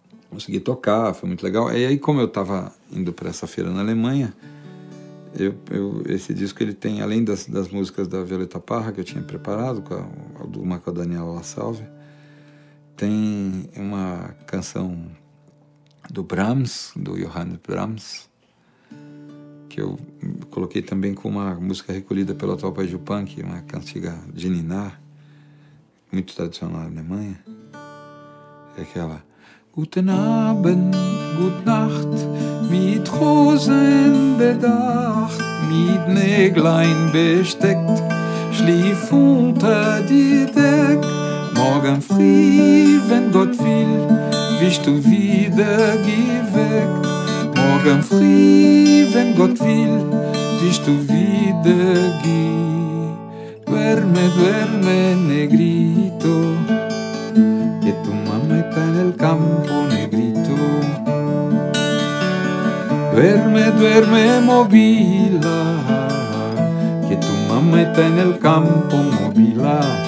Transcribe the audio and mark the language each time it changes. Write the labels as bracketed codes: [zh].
[pt] Consegui tocar, foi muito legal. E aí, como eu estava indo para essa feira na Alemanha, esse disco ele tem, além das músicas da Violeta Parra, que eu tinha preparado, uma com a Daniela La Salve, tem uma canção do Brahms, do Johannes Brahms, que eu coloquei também com uma música recolhida pelo atual pai Jupanqui, uma cantiga de Ninar, muito tradicional na Alemanha. Aquela. [de] Guten Abend, gute Nacht, mit Rosen bedacht, mit Näglein besteckt, schlief unter die Deck. Morgen früh, wenn Gott will, wirst du wieder geweckt. Morgen früh, wenn Gott will, wirst du wieder geweckt. [es] Duerme, duerme, negrito. Que tu mamá está en el campo, negrito. Duerme, duerme, movila, que tu mamá está en el campo, movila.